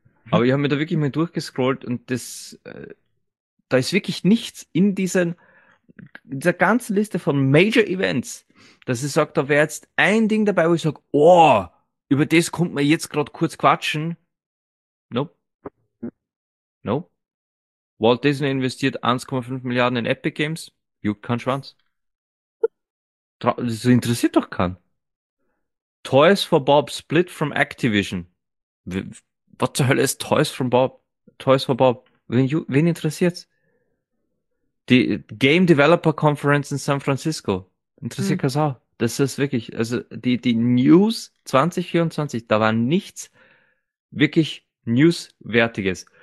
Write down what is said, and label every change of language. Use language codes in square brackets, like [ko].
[de] Aber ich habe mir da wirklich mal durchgescrollt und da ist wirklich nichts in dieser ganzen Liste von Major Events, dass ich sage, da wäre jetzt ein Ding dabei, wo ich sage, oh, über das kommt man jetzt gerade kurz quatschen. Nope. Nope. Walt Disney investiert 1,5 Milliarden in Epic Games. Juckt kein Schwanz. Das interessiert doch keinen. [en] Toys for Bob split from Activision. [de] Was zur Hölle ist Toys from Bob? Toys for Bob. Wen interessiert's? Die Game Developer Conference in San Francisco. Interessiert keinen Sau. Das ist wirklich, also die News 2024, da war nichts wirklich Newswertiges.